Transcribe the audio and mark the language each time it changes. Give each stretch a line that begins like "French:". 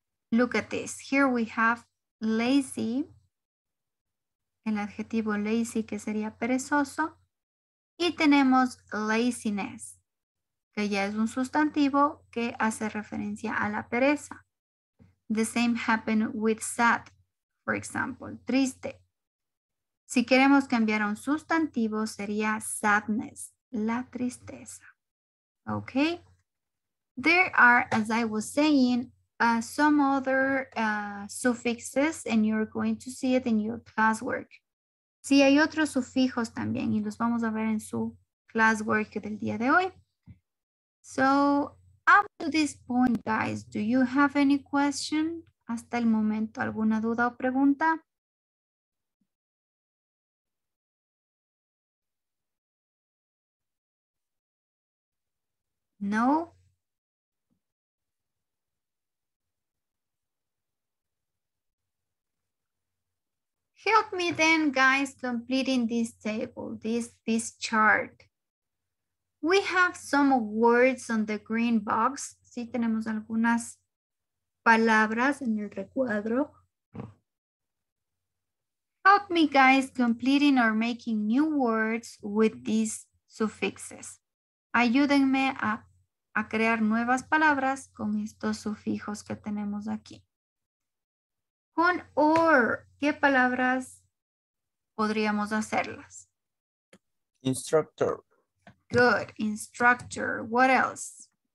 English: Look at this. Here we have lazy.
Spanish: el adjetivo lazy, que sería perezoso. Y tenemos laziness, que ya es un sustantivo que hace referencia a la pereza.
English: The same happened with sad, for example, triste.
Spanish: Si queremos cambiar a un sustantivo, sería sadness, la tristeza. Okay.
English: There are, as I was saying, some other suffixes, and you're going to see it in your classwork.
Spanish: Sí, hay otros sufijos también, y los vamos a ver en su classwork del día de hoy.
English: So, up to this point, guys, do you have any question?
Spanish: Hasta el momento, ¿alguna duda o pregunta? No.
English: Help me then, guys, completing this table, this chart. We have some words on the green box.
Spanish: Sí, tenemos algunas palabras en el recuadro.
English: Help me, guys, completing or making new words with these suffixes.
Spanish: Ayúdenme a crear nuevas palabras con estos sufijos que tenemos aquí. Con or, ¿qué palabras podríamos hacerlas?
English: Instructor. Good, instructor. What else?